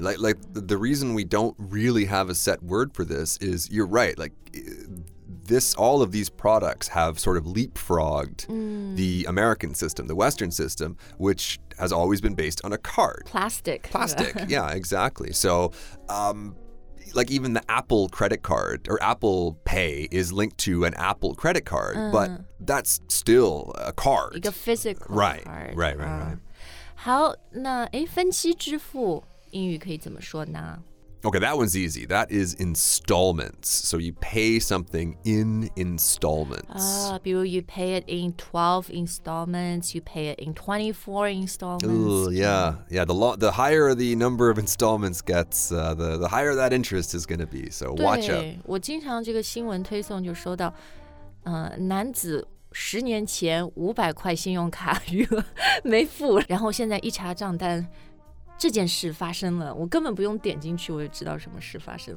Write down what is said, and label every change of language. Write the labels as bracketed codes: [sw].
[en] Like, the reason we don't really have a set word for this is, you're right, like, this, all of these products have sort of leapfrogged the American system, the Western system, which has always been based on a card. Plastic. Plastic, yeah, exactly. So, like, even the Apple credit card or Apple Pay is linked to an Apple credit card, but that's still a card. [zh] 一个 physical [en] right, card. Right, right, right, right. [zh] 好,那分期支付英语可以怎么说呢? [en] Okay, that one's easy. That is installments. So you pay something in installments. [zh] 比如 [en] you pay it in 12 installments, you pay it in 24 installments. Yeah, yeah. The higher the number of installments gets, the higher that interest is going to be. So watch out. [zh] 我经常这个新闻推送就收到男子10年前500块信用卡余额没付，然后现在一查账单，这件事发生了，我根本不用点进去，我就知道什么事发生。